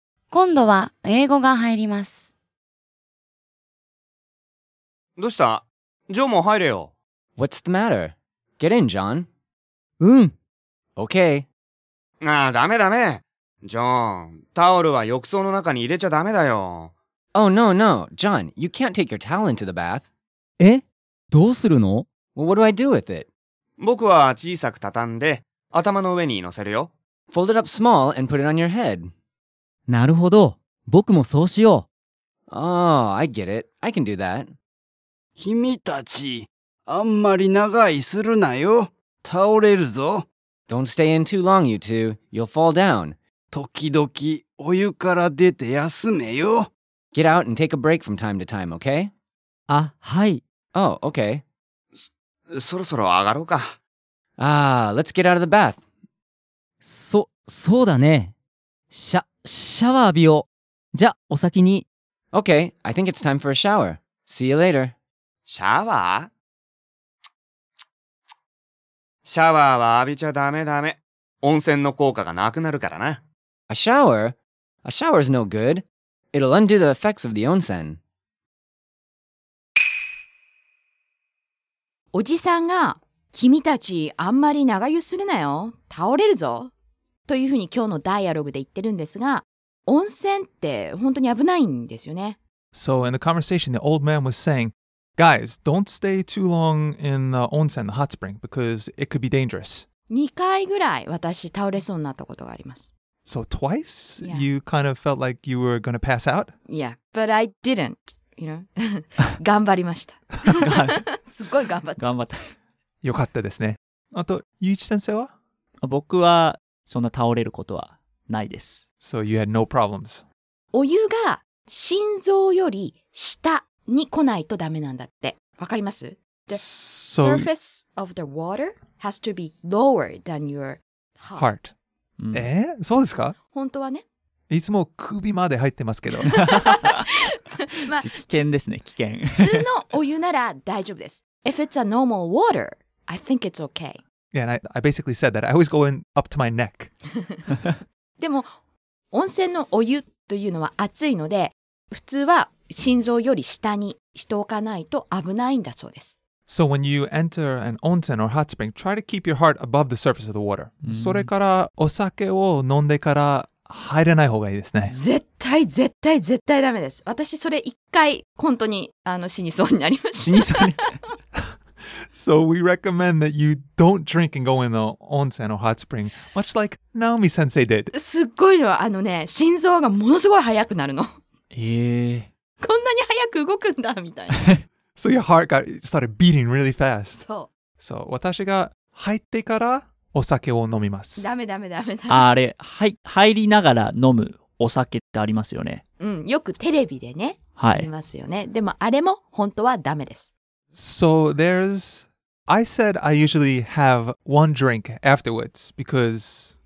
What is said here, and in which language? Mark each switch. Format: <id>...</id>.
<ja>今度は英語が入ります。どうした？ジョーも入れよ。</ja> <en>What's the matter? Get in, John.</en> <ja>うん。</ja> <en>Okay.</en> <ja>ああ、ダメダメ。ジョーン、タオルは浴槽の中に入れちゃダメだよ。</ja> <en>Oh, no, no. John, you can't take your towel into the bath.</en> <ja>え？どうするの？</ja> <en>Well, what do I do with it?</en> <ja>僕は小さく畳んで、頭の上に乗せるよ。</ja> <en>Fold it up small and put it on your head.</en> <ja>なるほど。僕もそうしよう。</ja> <en>Oh, I get it. I can do that.</en> <ja>君たち、あんまり長居するなよ。倒れるぞ。</ja> <en>Don't stay in too long, you two. You'll fall down.</en> <ja>時々、お湯から出て休めよ。</ja> <en>Get out and take a break from time to time, okay?</en> <ja>あ、はい。</ja> <en>Oh, okay.</en> <ja>そろそろ上がろうか。</ja> <en>Ah, let's get out of the bath.</en> <ja>そうだね。シャワー浴びよう。じゃ、お先に。</ja> <en>Okay, I think it's time for a shower. See you later.</en> <ja>シャワーは浴びちゃダメ。温泉の効果がなくなるからな。</ja> <en>A shower is no good. It'll undo the effects of the onsen.</en> <ja>おじさんが、君たちあんまり長湯するなよ。倒れるぞ。というふうに今日のダイアログで言ってるんですが、温泉って本当に危ないんですよね。</ja> <en>So in the conversation, the old man was saying, guys, don't stay too long in the onsen, the hot spring, because it could be dangerous.</en> <ja>2回ぐらい私倒れそうになったことがあります。</ja> <en>So twice? Yeah. You kind of felt like you were going to pass out? Yeah, but I didn't, you know.</en> <ja>頑張りました。すごい頑張った。頑張った。よかったですね。あと、ゆういち先生は？僕はそんな倒れることはないです。</ja> <en>So you had no problems.</en> <ja>お湯が心臓より下に来ないとダメなんだって。わかります？</ja> <en>The surface of the water has to be lower than your heart.</en> <ja>え？そうですか？本当はね。いつも首まで入ってますけど。まあ、危険ですね、危険。普通のお湯なら大丈夫です。</ja> <en>If it's a normal water, I think it's okay. Yeah, and I basically said that. I always go in up to my neck.</en> <ja>でも、温泉のお湯というのは熱いので、普通は心臓より下にしておかないと危ないんだそうです。</ja> <en>So when you enter an onsen or hot spring, try to keep your heart above the surface of the water.、Mm-hmm.</en> <ja>それからお酒を飲んでから入らない方がいいですね。絶対ダメです。私それ一回本当に死にそうになりました。死にそうに。</ja> <en>So we recommend that you don't drink and go in the onsen or hot spring, much like Naomi sensei did.</en> <ja>すごいのは心臓がものすごい速くなるの。こんなに早く動くんだみたいな。</ja> <en>So your heart got started beating really fast.</en> <ja>そう。 So 私が入ってからお酒を飲みます。ダメ。あれ、入りながら飲むお酒ってありますよね。うん、よくテレビでね、はい、ありますよね。でもあれも本当はダメです。</ja> <en>So there's, I said I usually have one drink afterwards because...</en>